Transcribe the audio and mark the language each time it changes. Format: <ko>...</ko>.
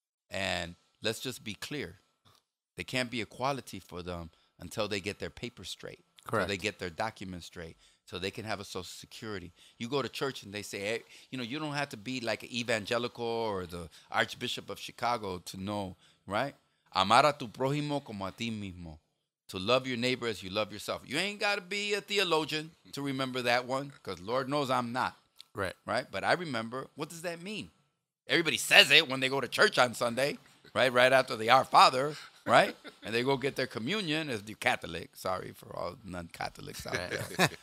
<en>And let's just be clear. There can't be equality for them until they get their papers straight. Correct. So they get their documents straight. So they can have a Social Security. You go to church and they say, hey, you know, you don't have to be like an evangelical or the Archbishop of Chicago to know, right?</en> <es>Amar a tu prójimo como a ti mismo.</es> <en>To love your neighbor as you love yourself. You ain't got to be a theologian to remember that one, because Lord knows I'm not. Right. Right? But I remember. What does that mean? Everybody says it when they go to church on Sunday, right? Right after the Our Father, right? And they go get their communion as the Catholic. Sorry for all non-Catholics out there.</en>